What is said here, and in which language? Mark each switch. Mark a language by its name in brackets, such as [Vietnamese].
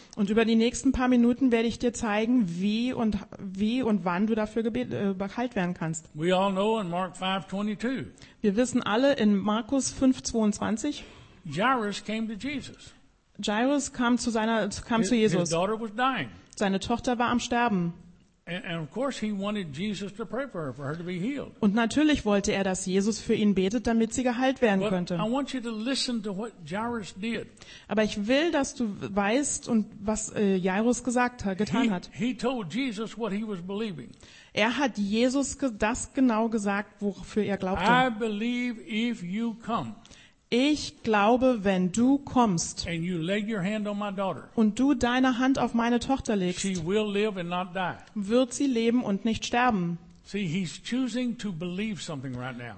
[German] Und über die nächsten paar Minuten werde ich dir zeigen, wie und wann du dafür geheilt werden kannst. [English] We all know in Mark 5:22. [German] Wir wissen alle in Markus 5:22. [English] Jairus came to Jesus. [German] Jairus kam zu Jesus. [English] His daughter was dying. [German] Seine Tochter war am Sterben. [English] And of course he wanted Jesus to pray for her to be healed. [German] Und natürlich wollte er, dass Jesus für ihn betet, damit sie geheilt werden könnte. [English] But I want you to listen to what Jairus did. [German] Aber ich will, dass du weißt und was Jairus getan hat. [English] He told Jesus what he was believing. [German] Er hat Jesus das genau gesagt, wofür er glaubte. [English] I believe if you come. [German] Ich glaube, wenn du kommst [English] and you lay your hand on my daughter, [German] und du deine Hand auf meine Tochter legst, [English] she will live and not die. [German] Wird sie leben und nicht sterben. [English] See, he's choosing to believe something right now.